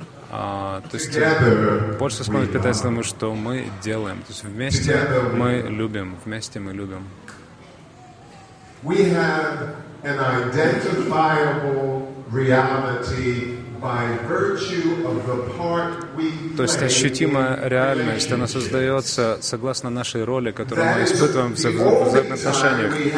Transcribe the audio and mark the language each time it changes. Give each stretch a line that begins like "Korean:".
Russian: то есть больше склонность питается к тому, что мы делаем. То есть вместе мы любим, вместе мы любим.
English: We have an identifiable reality by virtue of the part we play.
Russian: То есть ощутимая реальность, она создается согласно нашей роли, которую мы испытываем в взаимоотношениях.